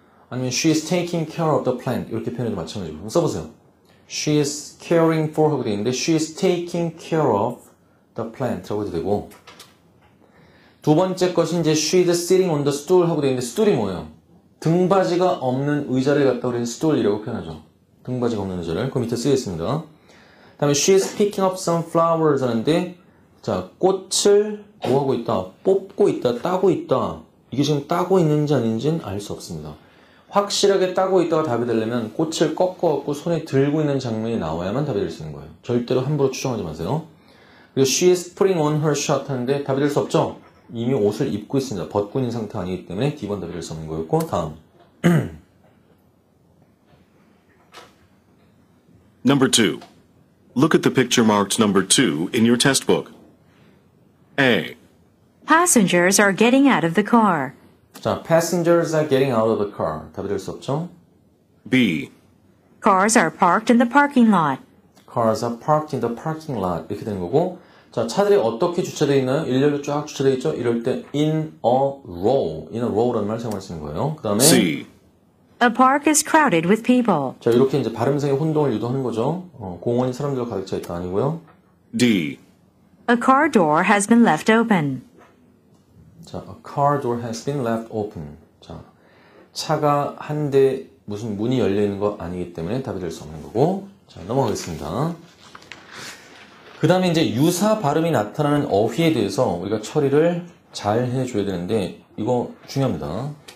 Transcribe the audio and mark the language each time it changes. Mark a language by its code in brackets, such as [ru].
[ko] 아니면 [en] She is taking care of the plant. [ko] 이렇게 표현해도 마찬가지고. 한번 써보세요. [en] She is caring for [ko] 하고 되어 있는데 [en] She is taking care of the plant [ko] 라고 해도 되고 두 번째 것이 이제 [en] she's sitting on the stool [ko] 하고 되어 있는데 stool이 뭐예요? 등받이가 없는 의자를 갖다 우리는 stool이라고 표현하죠. 등받이가 없는 의자를 그 밑에 쓰겠습니다. 다음에 [en] she's picking up some flowers [ko] 하는데 자 꽃을 뭐 하고 있다? 뽑고 있다, 따고 있다. 이게 지금 따고 있는지 아닌지는 알 수 없습니다. 확실하게 따고 있다가 답이 되려면 꽃을 꺾어 갖고 손에 들고 있는 장면이 나와야만 답이 될 수 있는 거예요. 절대로 함부로 추정하지 마세요. 그리고 [en] she's putting on her shirt [ko] 하는데 답이 될 수 없죠? 이미 옷을 입고 있습니다. 벗고 있는 상태 아니기 때문에 D번 답이 될 수 없는 거였고 다음 [en] Number 2. Look at the picture marked number 2 in your test book. A. Passengers are getting out of the car. 자, passengers are getting out of the car. [ko] 답이 될 수 없죠? [en] B. Cars are parked in the parking lot. Cars are parked in the parking lot. [ko] 이렇게 되는 거고. 자, 차들이 어떻게 주차되어 있나요? 일렬로 쫙 주차되어 있죠? 이럴 때 in a row. [en] In a row [ko] 라는 말을 사용하시는 거예요. 그 다음에 [en] C. The park is crowded with people. [ko] 자, 이렇게 이제 발음상의 혼동을 유도하는 거죠. 공원이 사람들로 가득 차 있다 아니고요. [en] D. A car door has been left open. 자, a car door has been left open. [ko] 자, 차가 한 대 무슨 문이 열려 있는 거 아니기 때문에 답이 될 수 없는 거고. 자, 넘어가겠습니다. 그 다음에 이제 유사 발음이 나타나는 어휘에 대해서 우리가 처리를 잘 해줘야 되는데 이거 중요합니다.